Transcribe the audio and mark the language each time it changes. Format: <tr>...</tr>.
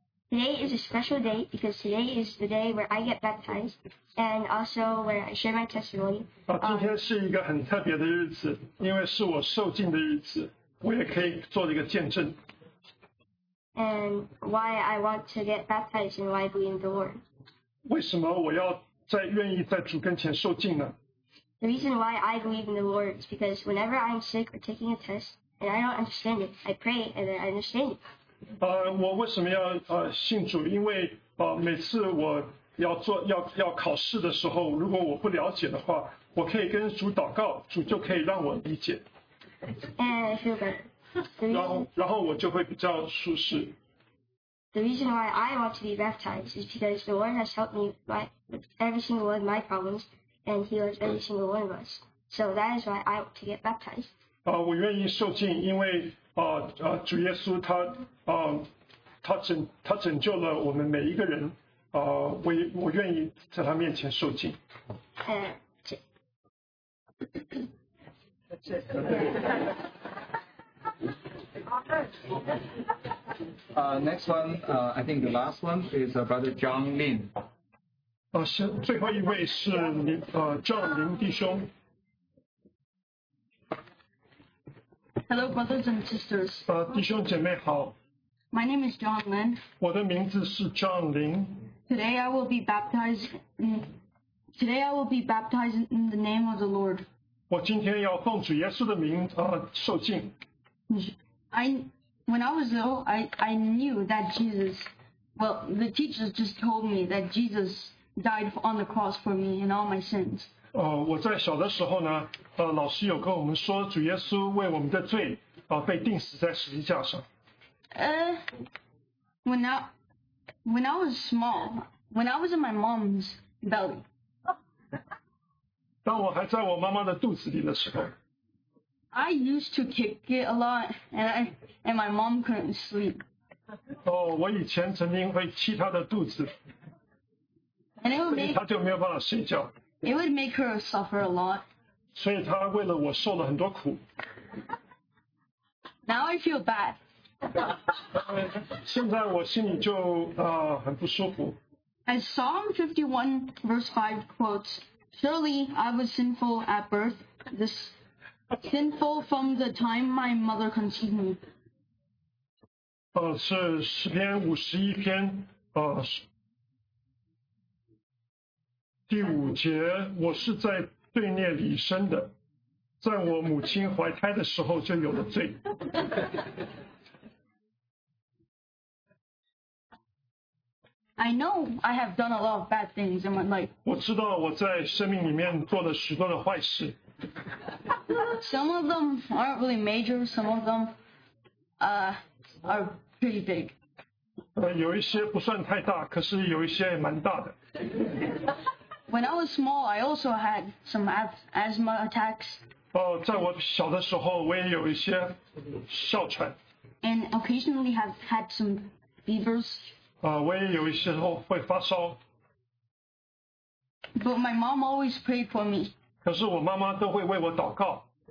<en>Today is a special day because today is the day where I get baptized and also where I share my testimony.</en> <zh>今天是一个很特别的日子，因为是我受浸的日子，我也可以做一个见证。</zh> <en>And why I want to get baptized and why I believe in the Lord.</en> <zh>为什么我要在愿意在主跟前受浸呢？</zh> <en>The reason why I believe in the Lord is because whenever I'm sick or taking a test and I don't understand it, I pray and then I understand it.</en> <zh>我为什么要信主？因为每次我要考试的时候，如果我不了解的话，我可以跟主祷告，主就可以让我理解。</zh> <en>And I feel better.</en> <zh>然后我就会比较舒适。</zh> <en>The reason why I want to be baptized is because the Lord has helped me with every single one of my problems. And he was every single one of us. So that is why I want to get baptized.</en> <zh>我愿意受浸，因为主耶稣他拯救了我们每一个人。我愿意在他面前受浸。</zh> <en>next one, I think the last one is Brother John Lin.</en> <zh>最后一位是林John林弟兄。</zh> <en>Hello, brothers and sisters.</en> <zh>弟兄姐妹好。</zh> <en>My name is John Lin.</en> <zh>我的名字是John Lin。</zh> <en>Today I will be baptized in the name of the Lord.</en> <zh>我今天要奉主耶稣的名受浸。</zh> <en>When I was little, I knew that Jesus, well, the teachers just told me that Jesus. Died on the cross for me and all my sins.</en> <zh>我在小的时候呢，老师有跟我们说，主耶稣为我们的罪，被钉死在十字架上。</zh> <en>When I was small, when I was in my mom's belly.</en> <zh>当我还在我妈妈的肚子里的时候。</zh> <en>I used to kick it a lot, and my mom couldn't sleep.</en> <zh>我以前曾经会踢她的肚子。</zh> <en>And it would, it would make her suffer a lot.</en> <zh>所以她为了我受了很多苦。</zh> <en>Now I feel bad.</en> <zh>现在我心里就很不舒服。</zh> <en>As Psalm 51 verse 5 quotes, surely I was sinful at birth, this sinful from the time my mother conceived me.</en> <zh>是诗篇五十一篇第五节，我是在罪孽里生的，在我母亲怀胎的时候就有了罪。</zh> <en>I know I have done a lot of bad things in my life.</en> <zh>我知道我在生命里面做了许多的坏事。</zh> <en>Some of them aren't really major, some of them are pretty big.</en> <zh>有一些不算太大，可是有一些蛮大的。</zh> <en>When I was small, I also had some asthma attacks.</en> <zh>在我小的时候，我也有一些哮喘。</zh> <en>And occasionally have had some fevers.</en> <zh>我也有一些时候会发烧。</zh> <en>But my mom always prayed for me.</en> <zh>可是我妈妈都会为我祷告。</zh>